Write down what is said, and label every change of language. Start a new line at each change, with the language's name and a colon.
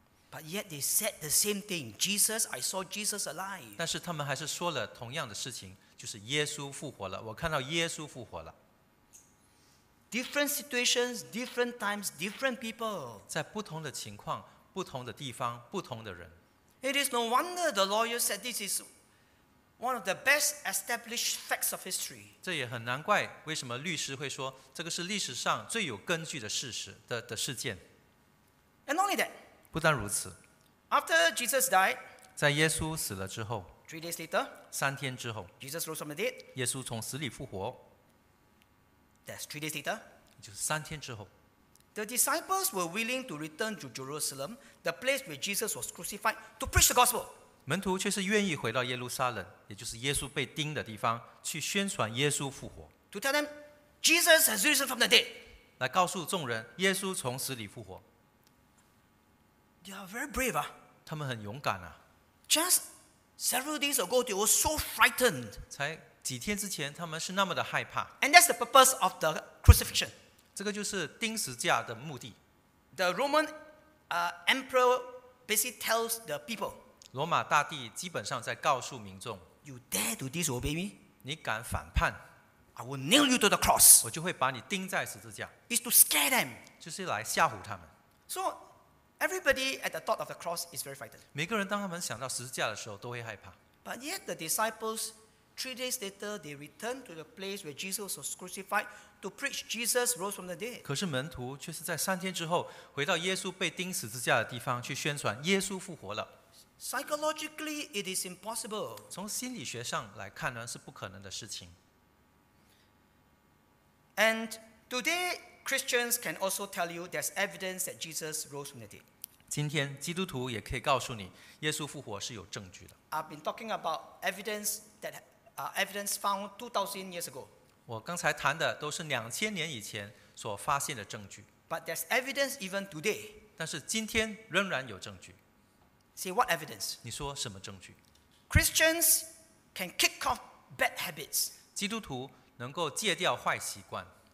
English: But yet they said the same thing. Jesus, I saw Jesus alive.
Chinese: 但是他们还是说了同样的事情，就是耶稣复活了。我看到耶稣复活了。
English: Different situations, different times, different people.
Chinese: 在不同的情况、不同的地方、不同的人。
English: It is no wonder the lawyer said this is. One of the best established facts of history.
Chinese: 这也很难怪，为什么律师会说这个是历史上最有根据的事实的事件。
English: And not only that.
Chinese: 不但如此。
English: After Jesus died.
Chinese: 在耶稣死了之后。
English: Three days later.
Chinese: 三天之后。
English: Jesus rose from the dead.
Chinese: 耶稣从死里复活。
English: That's three days later.
Chinese: 就是三天之后。
English: The disciples were willing to return to Jerusalem, the place where Jesus was crucified, to preach the gospel.
Chinese: 门徒却是愿意回到耶路撒冷，也就是耶稣被钉的地方，去宣传耶稣复活。
English: To tell them, Jesus has risen from the dead.
Chinese: 来告诉众人，耶稣从死里复活。
English: They are very brave.
Chinese: 他们很勇敢啊。
English: Just several days ago, they were so frightened.
Chinese: 才几天之前，他们是那么的害怕。
English: And that's the purpose of the crucifixion.
Chinese: 这个就是钉十字架的目的。
English: The Roman emperor basically tells the people.
Chinese: 罗马大帝基本上在告诉民众
English: ：“You dare to disobey me？
Chinese: 你敢反叛
English: ？I will nail you to the cross。
Chinese: 我就会把你钉在十字架。
English: Is to scare them，
Chinese: 就是来吓唬他们。
English: So everybody at the thought of the cross is very frightened。
Chinese: 每个人当他们想到十字架的时候，都会害怕。
English: But yet the disciples, three days later, they returned to the place where Jesus was crucified to preach Jesus rose from the dead。
Chinese: 可是门徒却是在三天之后回到耶稣被钉十字架的地方去宣传耶稣复活了。
English: Psychologically, it is impossible.
Chinese: 从心理学上来看呢，是不可能的事情。
English: And today, Christians can also tell you there's evidence that Jesus rose from the dead.
Chinese: 今天基督徒也可以告诉你，耶稣复活是有证据的。
English: I've been talking about evidence that evidence found 2,000 years ago.
Chinese: 我刚才谈的都是两千年以前所发现的证据。
English: But there's evidence even today.
Chinese: 但是今天仍然有证据。
English: Say what evidence?
Chinese: 你说什么证据？
English: Christians can kick off bad habits.
Chinese: 基督徒能够戒掉坏习惯。